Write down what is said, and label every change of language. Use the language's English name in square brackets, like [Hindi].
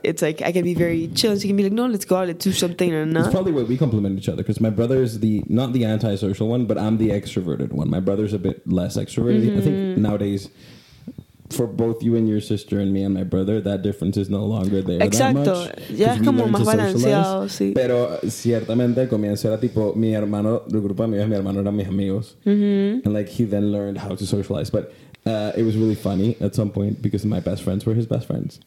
[English] It's like, I can be very chill, and she can be like, no, let's go out, let's do something, or not. It's probably why we complement each other, because my brother is not the antisocial one, but I'm the extroverted one. My brother's a bit less extroverted. Mm-hmm. I think nowadays, for both you and your sister and me and my brother, that difference is no longer there. [Spanish] Exacto. [English] That much. [Spanish] Exacto. Ya es como más balanceado, sí. Pero ciertamente comienzo era tipo, mi hermano, el grupo de amigos, mi hermano eran mis amigos. Mm-hmm. [English] And like, he then learned how to socialize. But it was really funny at some point because my best friends were his best friends.